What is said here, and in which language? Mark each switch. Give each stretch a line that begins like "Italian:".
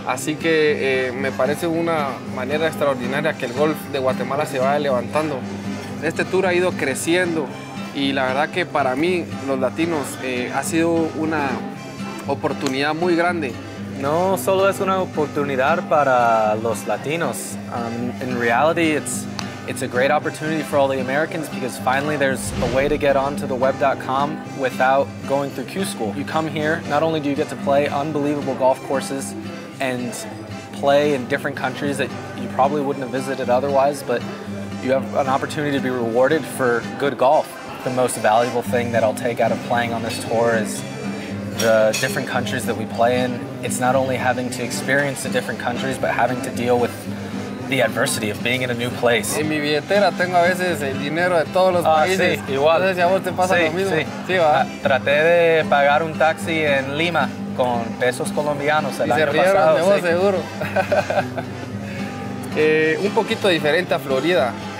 Spanish: Así que me parece una manera extraordinaria que el golf de Guatemala se vaya levantando. Este tour ha ido creciendo y la verdad que para mí, los latinos, ha sido una, oportunidad muy grande. No solo es una oportunidad para los latinos.
English: In reality, it's a great opportunity for all the Americans because finally there's a way to get onto the web.com without going through Q school. You come here, not only do you get to play unbelievable golf courses and play in different countries that you probably wouldn't have visited otherwise, but you have an opportunity to be rewarded for good golf. The most valuable thing that I'll take out of playing on this tour is the different countries that we play in. It's not only having to experience the different countries, but having to deal with the adversity of being in a new place.
Spanish: En mi billetera tengo a veces el dinero de todos los países. Sí, igual. No sé si a vos te pasa lo mismo. Sí, va. Traté de pagar un taxi en Lima con pesos colombianos el año pasado. Y se rieron de vos, seguro. un poquito diferente a Florida.